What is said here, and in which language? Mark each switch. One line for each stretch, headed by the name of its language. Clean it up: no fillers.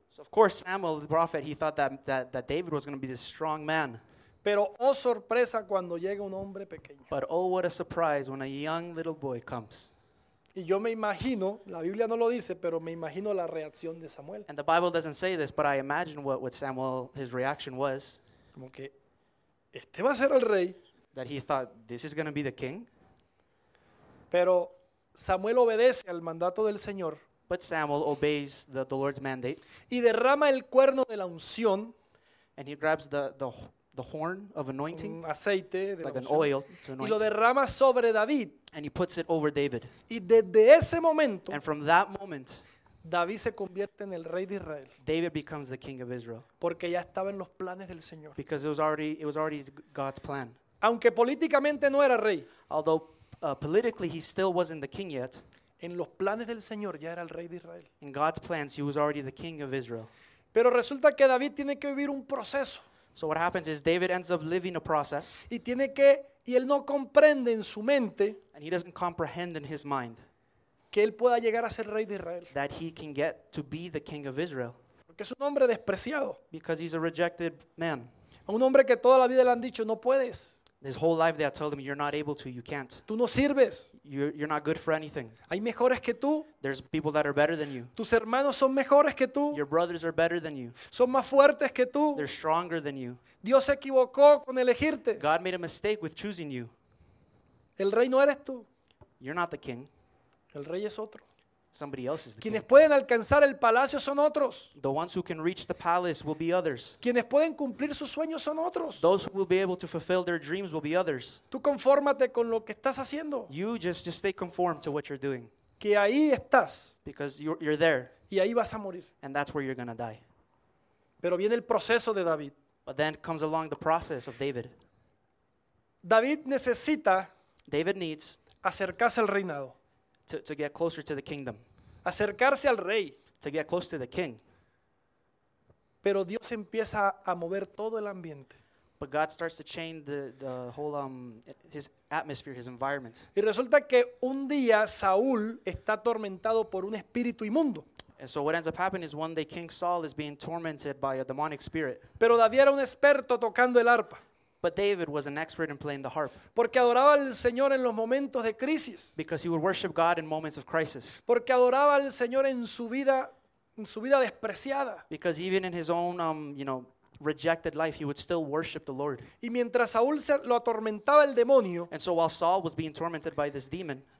English: So of course Samuel the prophet he thought that David was going to be this strong man.
Spanish: Pero oh sorpresa cuando llega un hombre pequeño.
English: But oh what a surprise when a young little boy comes.
Spanish: Y yo me imagino, la Biblia no lo dice, pero me imagino la reacción de Samuel.
English: And the Bible doesn't say this, but I imagine what Samuel his reaction was.
Spanish: Como que este va a ser el rey.
English: That he thought this is going to be the king.
Spanish: Pero Samuel obedece al mandato del Señor.
English: But Samuel obeys the Lord's mandate.
Spanish: Y derrama el cuerno de la unción.
English: And he grabs the horn of anointing.
Spanish: Un aceite de
English: like
Spanish: la unción.
English: An oil to anoint.
Spanish: Y lo derrama sobre David.
English: And he puts it over David.
Spanish: Y desde ese momento.
English: And from that moment.
Spanish: David se convierte en el rey de Israel.
English: David becomes the king of Israel.
Spanish: Porque ya estaba en los planes del Señor.
English: Because it was already God's plan.
Spanish: Aunque políticamente no era rey.
English: Although politically, he still wasn't the king yet.
Spanish: En los planes del Señor ya era el rey de Israel.
English: In God's plans, he was already the king of Israel.
Spanish: Pero resulta que David tiene que vivir un proceso.
English: So what happens is David ends up living a process.
Spanish: Y él no comprende en su mente.
English: And he doesn't comprehend in his mind.
Spanish: Que él pueda llegar a ser rey de Israel.
English: That he can get to be the king of Israel.
Spanish: Porque es un hombre despreciado.
English: Because he's a rejected man.
Spanish: Un hombre que toda la vida le han dicho no puedes.
English: His whole life they have told him, you're not able to, you can't.
Spanish: Tú no sirves.
English: You're not good for anything.
Spanish: Hay mejores que tú.
English: There's people that are better than you.
Spanish: Tus hermanos son mejores que tú.
English: Your brothers are better than you.
Spanish: Son más fuertes que tú.
English: They're stronger than you.
Spanish: Dios se equivocó con elegirte.
English: God made a mistake with choosing you.
Spanish: El rey no eres tú.
English: You're not the king.
Spanish: El rey es otro.
English: Somebody else is the king.
Spanish: Quienes pueden alcanzar el palacio son otros.
English: The ones who can reach the palace will be others.
Spanish: Quienes pueden cumplir sus sueños son otros.
English: Those who will be able to fulfill their dreams will be others.
Spanish: Tú confórmate con lo que estás haciendo.
English: You just stay conformed to what you're doing.
Spanish: Que ahí estás.
English: Because you're there.
Spanish: Y ahí vas a morir.
English: And that's where you're going to die.
Spanish: Pero viene el proceso de David.
English: But then comes along the process of David.
Spanish: David necesita
English: David needs
Spanish: acercarse al reinado.
English: To get closer to the kingdom.
Spanish: Acercarse al rey.
English: To get close to the king.
Spanish: Pero Dios empieza a mover todo el ambiente.
English: But God starts to change the whole his atmosphere, his environment.
Spanish: Y resulta que un día Saúl está atormentado por un espíritu inmundo.
English: And so what ends up happening is one day King Saul is being tormented by a demonic spirit.
Spanish: Pero David era un experto tocando el arpa.
English: But David was an expert in playing the harp.
Spanish: Porque adoraba al Señor en los momentos de crisis.
English: Because he would worship God in moments of crisis.
Spanish: Porque adoraba al Señor en su vida despreciada.
English: Because even in his own, rejected life, he would still worship the Lord.
Spanish: Y mientras Saúl lo atormentaba el demonio.
English: And so while Saul was being tormented by this demon.